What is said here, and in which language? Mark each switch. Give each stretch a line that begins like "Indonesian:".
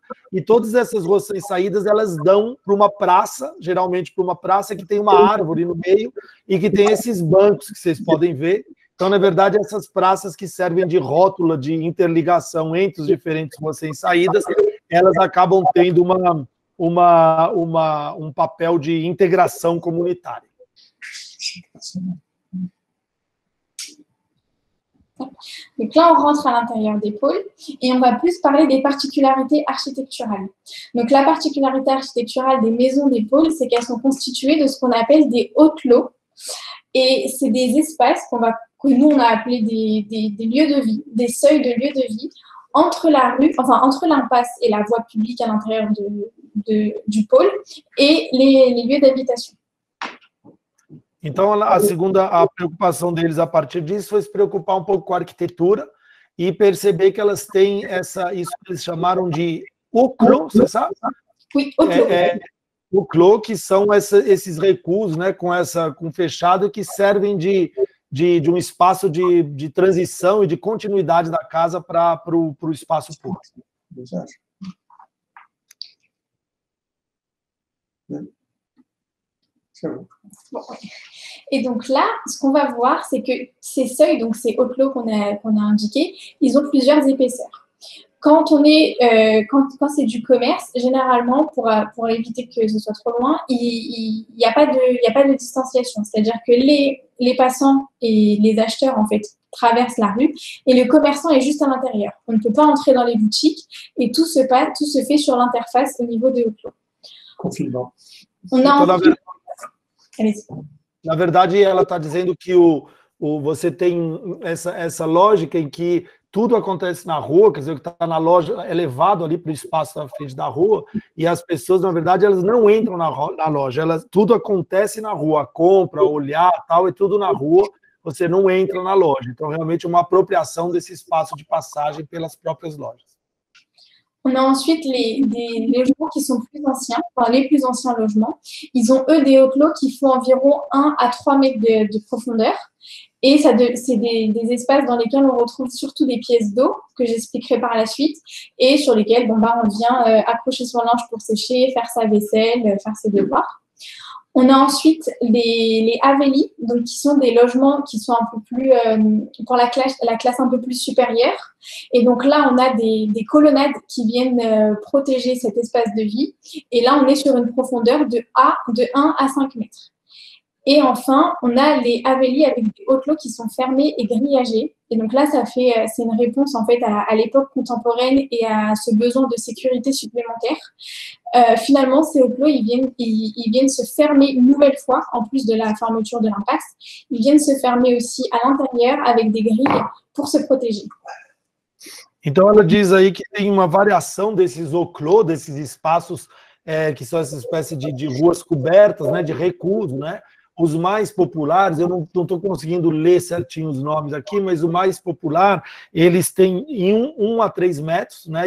Portuguese: E todas essas ruas sem saídas, elas dão para uma praça, geralmente para uma praça, que tem uma árvore no meio e que tem esses bancos que vocês podem ver. Então, na verdade, essas praças que servem de rótula, de interligação entre os diferentes ruas sem saídas, elas acabam tendo um papel de integração comunitária.
French: Donc là, on rentre à l'intérieur des pôles et on va plus parler des particularités architecturales. Donc la particularité architecturale des maisons des pôles, c'est qu'elles sont constituées de ce qu'on appelle des hautes lots. Et c'est des espaces que nous, on a appelés des lieux de vie, des seuils de lieux de vie entre la rue, enfin entre l'impasse et la voie publique à l'intérieur du pôle et les lieux d'habitation.
Portuguese: Então, a preocupação deles a partir disso foi se preocupar um pouco com a arquitetura e perceber que elas têm isso que eles chamaram de uklo, você sabe? Uklo, que são esses recuos, né, com fechado, que servem de um espaço de transição e de continuidade da casa para o espaço público. Exato. Yeah.
French: Bon. Et donc là, ce qu'on va voir, c'est que ces seuils, donc ces hauts lots qu'on a indiqués, ils ont plusieurs épaisseurs. Quand on est, quand c'est du commerce, généralement, pour éviter que ce soit trop loin, il n'y a pas de distanciation. C'est-à-dire que les passants et les acheteurs, en fait, traversent la rue et le commerçant est juste à l'intérieur. On ne peut pas entrer dans les boutiques et tout se fait sur l'interface au niveau des hauts lots. Confinement.
Portuguese: Na verdade, ela está dizendo que você tem essa lógica em que tudo acontece na rua, quer dizer, que está na loja, é levado ali para o espaço da frente da rua, e as pessoas, na verdade, elas não entram na loja, tudo acontece na rua, compra, olhar e tal, é tudo na rua, você não entra na loja. Então, realmente, uma apropriação desse espaço de passagem pelas próprias lojas.
French: On a ensuite les logements qui sont plus anciens, enfin les plus anciens logements. Ils ont, eux, des hauts lots qui font environ 1 à 3 mètres de profondeur. Et c'est des espaces dans lesquels on retrouve surtout des pièces d'eau, que j'expliquerai par la suite, et sur lesquels on vient accrocher son linge pour sécher, faire sa vaisselle, faire ses devoirs. On a ensuite les Avelis, donc qui sont des logements qui sont un peu plus pour la classe un peu plus supérieure. Et donc là, on a des colonnades qui viennent protéger cet espace de vie. Et là, on est sur une profondeur de 1 à 5 mètres. Et enfin, on a les Avelis avec des hauts lots qui sont fermés et grillagés. Et donc là, c'est une réponse en fait à l'époque contemporaine et à ce besoin de sécurité supplémentaire. Finalement, ces hauts lots, ils viennent se fermer une nouvelle fois, en plus de la fermeture de l'impasse. Ils viennent se fermer aussi à l'intérieur avec des grilles pour se protéger.
Portuguese: Então, ela diz aí que tem uma variação desses hauts lots, desses espaços, que são essa espécie de ruas cobertas, né, de recuo, né? Os mais populares, eu não estou conseguindo ler certinho os nomes aqui, mas o mais popular, eles têm em 1 a 3 metros, né?